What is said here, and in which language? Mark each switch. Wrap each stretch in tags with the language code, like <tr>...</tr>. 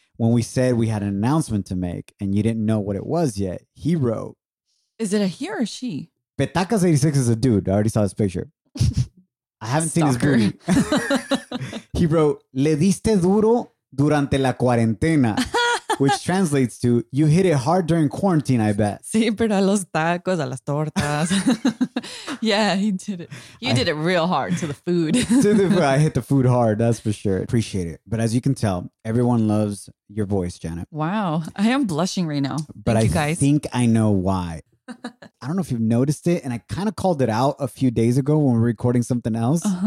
<en>When we said we had an announcement to make and you didn't know what it was yet, he wrote. Is it a he or a she? Petacas 86 is a dude. I already saw his picture. I haven't seen his booty. He wrote,</en> <es>le diste duro durante la cuarentena.</es> <en>Which translates to, you hit it hard during quarantine, I bet.</en> <es>Sí, pero a los tacos, a las tortas.</es> <en>Yeah, he did it. You did it real hard to the food. I hit the food hard, that's for sure. Appreciate it. But as you can tell, everyone loves your voice, Janet. Wow, I am blushing right now. But thank you, guys. I think I know why. I don't know if you've noticed it, and I kind of called it out a few days ago when we were recording something else.</en>